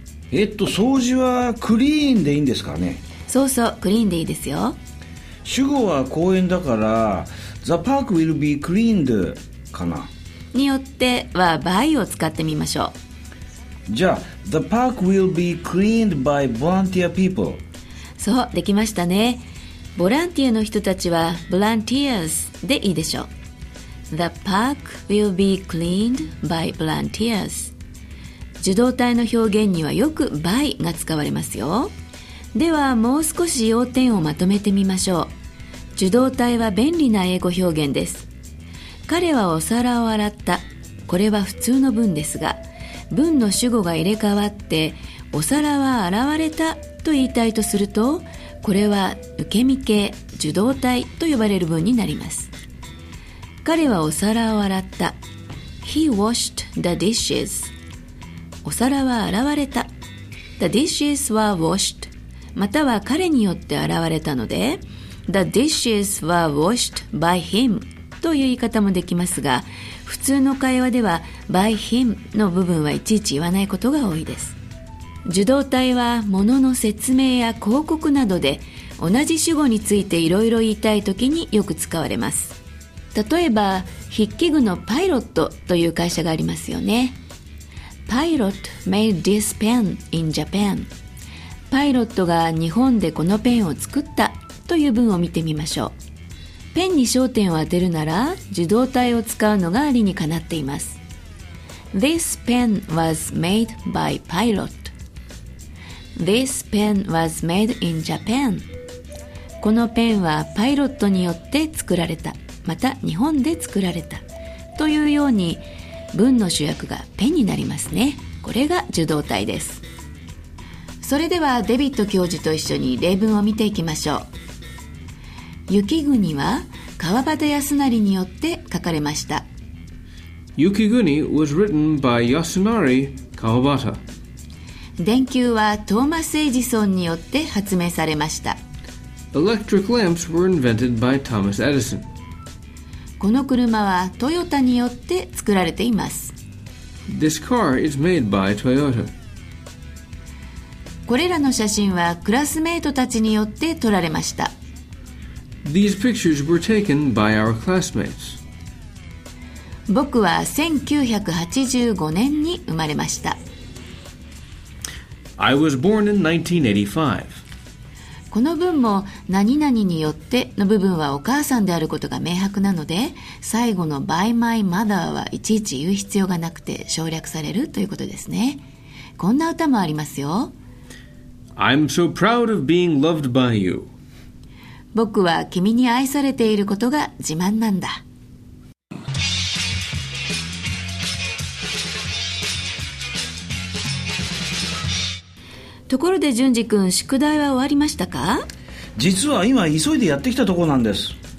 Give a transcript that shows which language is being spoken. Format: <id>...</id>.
<ja>掃除はクリーンでいいんですかね。そうそう、クリーンでいいですよ。主語は公園だから</ja> <en>The park will be cleaned</en> <ja>かな。によっては by を使ってみましょう。じゃあ</ja> <en>The park will be cleaned by volunteer people。</en> <ja>そう、できましたね。ボランティアの人たちは volunteers でいいでしょう。</ja> <en>The park will be cleaned by volunteers。</en> <ja>受動態の表現にはよく by が使われますよ。ではもう少し要点をまとめてみましょう。受動態は便利な英語表現です。彼はお皿を洗った、これは普通の文ですが、文の主語が入れ替わってお皿は洗われたと言いたいとすると、これは受け身形受動態と呼ばれる文になります。彼はお皿を洗った、</ja> <en>He washed the dishes。</en> <ja>お皿は洗われた、</ja> <en>The dishes were washed、</en> <ja>または彼によって洗われたので、</ja> <en>The dishes were washed by him</en> <ja>という言い方もできますが、普通の会話では</ja> <en>by him</en> <ja>の部分はいちいち言わないことが多いです。受動態は物の説明や広告などで同じ主語についていろいろ言いたいときによく使われます。例えば筆記具のパイロットという会社がありますよね。</ja> <en>パイロット made this pen in Japan。</en> <ja>パイロットが日本でこのペンを作ったという文を見てみましょう。ペンに焦点を当てるなら受動態を使うのが理にかなっています。</ja> <en>This pen was made by pilot。 This pen was made in Japan。</en> <ja>このペンはパイロットによって作られた、また日本で作られたというように文の主役がペンになりますね。これが受動態です。それではデビット教授と一緒に例文を見ていきましょう。雪国は川端康成によって書かれました。</ja> <en>雪国 was written by Yasunari Kawabata。</en> <ja>電球はトーマス・エジソンによって発明されました。</ja> <en>Electric lamps were invented by Thomas Edison。</en> <ja>この車はトヨタによって作られています。</ja> <en>This car is made by Toyota。</en> <ja>これらの写真はクラスメートたちによって撮られました。</ja> <en>These pictures were taken by our classmates。</en> <ja>僕は1985年に生まれました。</ja> <en>I was born in 1985。</en> <ja>この文も何々によっての部分はお母さんであることが明白なので、最後の</ja> <en>by my mother</en> <ja>はいちいち言う必要がなくて省略されるということですね。こんな歌もありますよ。</ja> <en>I'm so proud of being loved by you。</en> <ja>僕は君に愛されていることが自慢なんだ。ところで順次くん、宿題は終わりましたか？実は今急いでやってきたところなんです。</ja>